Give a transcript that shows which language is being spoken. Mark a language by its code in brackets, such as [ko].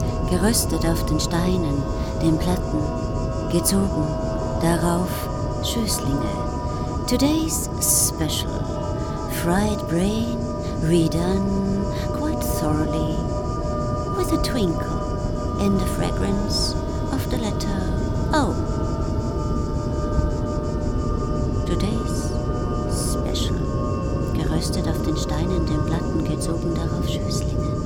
[de] Geröstet auf den Steinen, den Platten, gezogen darauf Schößlinge. [en] Today's special. Fried brain redone quite thoroughly, with a twinkle in the fragrance of the letter O. Today's special. [de] Geröstet auf den Steinen, den Platten, gezogen darauf Schößlinge.